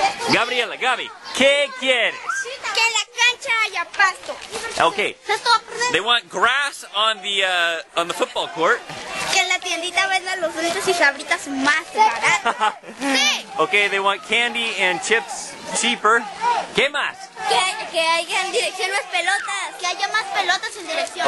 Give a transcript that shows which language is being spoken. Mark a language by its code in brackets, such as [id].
[es] Gabriela, Gabi, ¿qué quieres? Que la cancha haya pasto. [en] Okay. They want grass on the football court. [es] Que la tiendita venda los dulces y sabritas más baratas. [en] Okay, they want candy and chips cheaper. [es] ¿Qué más? Que haya en dirección más pelotas. Que haya más pelotas en dirección.